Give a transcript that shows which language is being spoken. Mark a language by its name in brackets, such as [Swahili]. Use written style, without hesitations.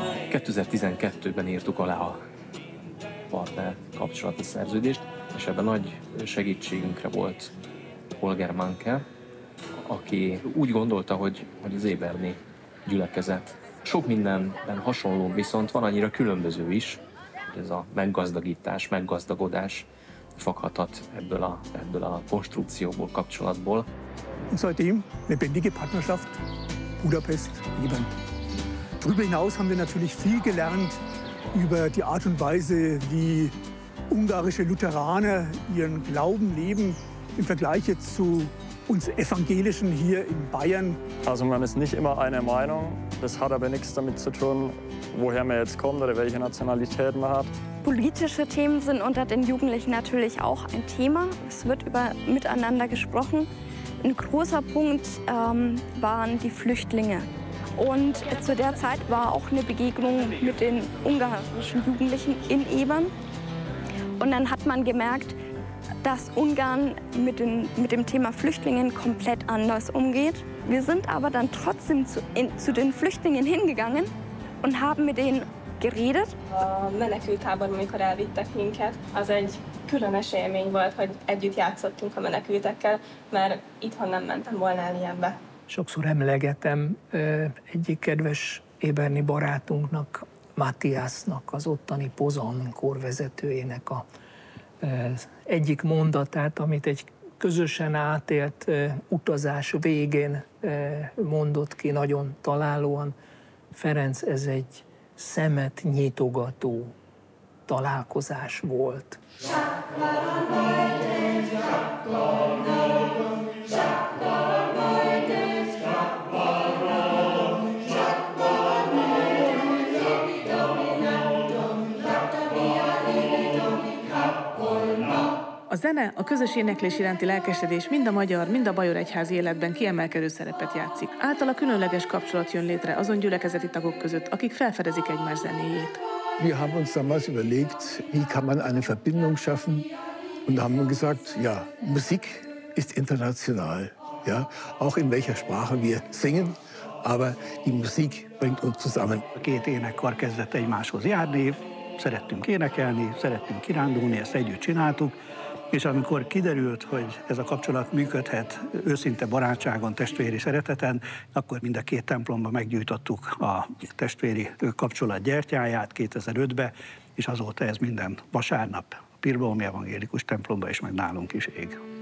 [Hungarian] 2012-ben írtuk alá a partner kapcsolati szerződést, és ebben nagy segítségünkre volt Holger Manke, aki úgy gondolta, hogy az éberni gyülekezet sok mindenben hasonló, viszont van annyira különböző is, hogy ez a meggazdagítás, meggazdagodás fakhatat ebből a konstrukcióból, kapcsolatból. [German] Seitdem lebendige Partnerschaft Budapest Leben. Darüber hinaus haben wir natürlich viel gelernt über die Art und Weise, wie ungarische Lutheraner ihren Glauben leben im Vergleich zu uns Evangelischen hier in Bayern. Also man ist nicht immer einer Meinung. Das hat aber nichts damit zu tun, woher man jetzt kommt oder welche Nationalität man hat. Politische Themen sind unter den Jugendlichen natürlich auch ein Thema. Es wird über Miteinander gesprochen. Ein großer Punkt waren die Flüchtlinge. Und zu der Zeit war auch eine Begegnung mit den ungarischen Jugendlichen in Ebern. Und dann hat man gemerkt, dass Ungarn mit dem Thema Flüchtlingen komplett anders umgeht. Wir sind aber dann trotzdem zu den Flüchtlingen hingegangen und haben mit denen geredet. [Hungarian] Menekülttábor, amikor elvittek minket, az egy különös élmény volt, hogy együtt játszottunk a menekültekkel, mert itthon nem mentem volna el ilyenbe. sokszor emlegetem egyik kedves éberni barátunknak, Matthiasnak, az ottani Pozan korvezetőjének a egyik mondatát, amit egy közösen átélt utazás végén mondott ki nagyon találóan. Ferenc, ez egy szemet nyitogató találkozás volt. A zene, a közös éneklés iránti lelkesedés mind a magyar, mind a bajor egyházi életben kiemelkedő szerepet játszik. Általa különleges kapcsolat jön létre azon gyülekezeti tagok között, akik felfedezik egymás zenéjét. [German] Wir haben uns damals überlegt, wie kann man eine Verbindung schaffen, und haben gesagt, ja, Musik ist international, ja, auch in welcher Sprache wir singen, aber die Musik bringt uns zusammen. [Hungarian] A két énekkar kezdett egymáshoz járni, szerettünk énekelni, szerettünk kirándulni, ezt együtt csináltuk, és amikor kiderült, hogy ez a kapcsolat működhet őszinte barátságon, testvéri szereteten, akkor mind a két templomban meggyújtottuk a testvéri kapcsolat gyertyáját 2005-ben, és azóta ez minden vasárnap a Pirbaumi Evangélikus templomba és meg nálunk is ég.